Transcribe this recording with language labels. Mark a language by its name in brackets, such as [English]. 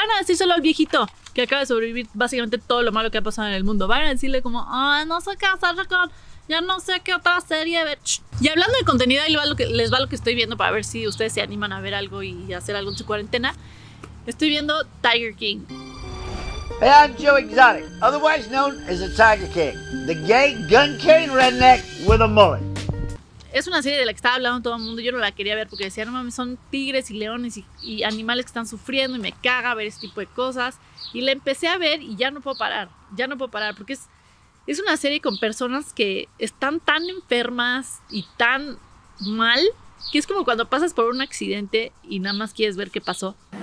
[Spanish] Van a decir solo al viejito que acaba de sobrevivir básicamente todo lo malo que ha pasado en el mundo. Van a decirle como, no sé qué hacer con, ya no sé qué otra serie ver. Y hablando de contenido, ahí les va lo que estoy viendo para ver si ustedes se animan a ver algo y hacer algo en su cuarentena. Estoy viendo Tiger King. [English] Hey, I'm Joe Exotic, otherwise known as the Tiger King, the gay, gun-carrying redneck with a mullet. [Spanish] Es una serie de la que estaba hablando todo el mundo. Yo no la quería ver porque decía, no mames, son tigres y leones y animales que están sufriendo y me caga ver ese tipo de cosas. Y la empecé a ver y ya no puedo parar porque es una serie con personas que están tan enfermas y tan mal que es como cuando pasas por un accidente y nada más quieres ver qué pasó.